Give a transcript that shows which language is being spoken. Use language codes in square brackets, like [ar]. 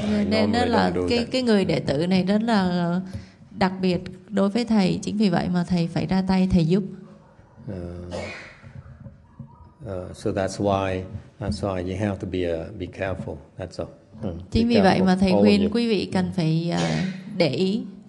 [vi] Nên đó là cái người đệ tử này rất là đặc biệt đối với thầy, chính vì vậy mà thầy phải ra tay thầy giúp. [en] So that's why you have to be careful. That's all. [vi] Chính vì vậy mà thầy khuyên quý vị cần phải để ý.